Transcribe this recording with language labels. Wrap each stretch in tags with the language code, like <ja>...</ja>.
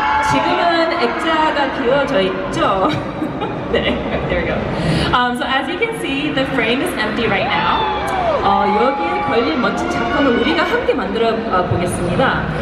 <ko>지금은 액자가 비워져 있죠.</ko> <en>네, there you go. So as you can see, the frame is empty right now.</en> <ko>여기에 걸린 멋진 작품을 우리가 함께 만들어 보겠습니다.</ko>